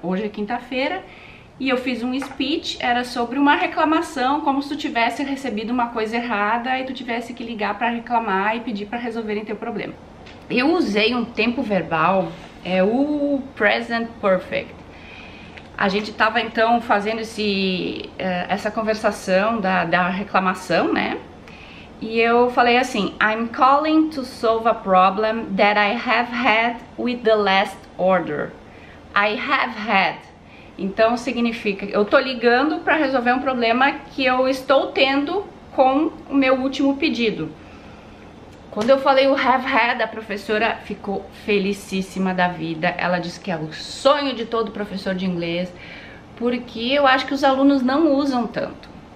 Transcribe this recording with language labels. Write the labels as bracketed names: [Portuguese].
[Portuguese] Hoje é quinta-feira e eu fiz um speech, era sobre uma reclamação, como se tu tivesse recebido uma coisa errada e tu tivesse que ligar pra reclamar e pedir pra resolverem teu problema. Eu usei um tempo verbal, é o present perfect. A gente tava então fazendo essa conversação da reclamação, né? [English] E eu falei assim: I'm calling to solve a problem that I have had with the last order. I have had. [Portuguese] Então significa, eu tô ligando para resolver um problema que eu estou tendo com o meu último pedido. Quando eu falei o have had, a professora ficou felicíssima da vida. Ela disse que é o sonho de todo professor de inglês, porque eu acho que os alunos não usam tanto.